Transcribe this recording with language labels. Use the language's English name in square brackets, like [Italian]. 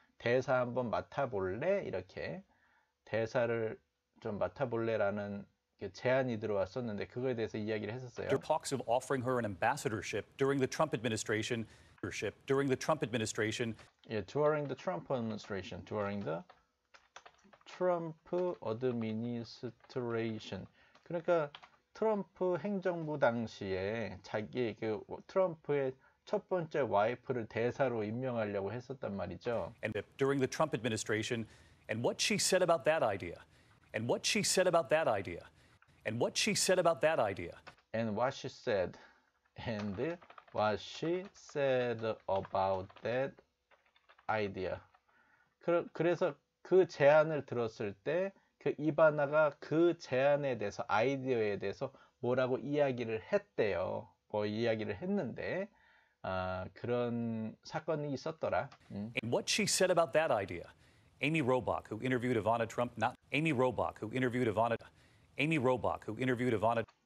[Korean] 대사 한번 맡아볼래? 이렇게 대사를 좀 맡아볼래라는 제안이 들어왔었는데 그거에 대해서 이야기를 했었어요. [English] There talks of offering her an ambassadorship during the Trump administration. During the Trump administration. Yeah, during the Trump administration. During the Trump administration. [Korean] 그러니까 트럼프 행정부 당시에 자기 그 트럼프의 첫 번째 와이프를 대사로 임명하려고 했었단 말이죠. [English] And during the Trump administration, and what she said about that idea, and what she said about that idea, and what she said about that idea, and what she said, and what she said about that idea. [Korean] 그래서 그 제안을 들었을 때 그 이바나가 그 제안에 대해서 아이디어에 대해서 뭐라고 이야기를 했대요. 뭐 이야기를 했는데 그런 사건이 있었더라. [English] And what she said about that idea. Amy Robach who interviewed Ivana Trump not Amy Robach who interviewed Ivana Amy Robach who interviewed Ivana